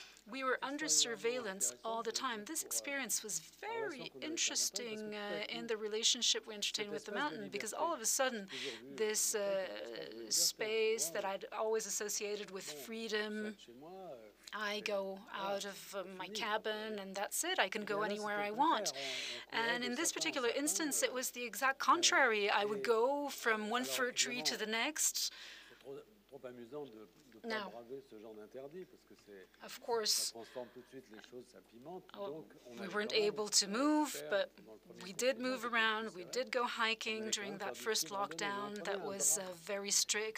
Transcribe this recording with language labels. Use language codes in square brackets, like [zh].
[en] We were under surveillance all the time. This experience was very interesting in the relationship we entertained with the mountain, because all of a sudden, this space that I'd always associated with freedom, I go out of my cabin and that's it. I can go anywhere I want. And in this particular instance, it was the exact contrary. I would go from one fir tree to the next. [fr] trop amusant de pas braver ce genre d'interdit parce que c'est [en] of course, [fr] ça transforme tout de suite les choses, ça pimente. [en] We weren't able to move, but we did move around. We did go hiking during that first lockdown that was very strict.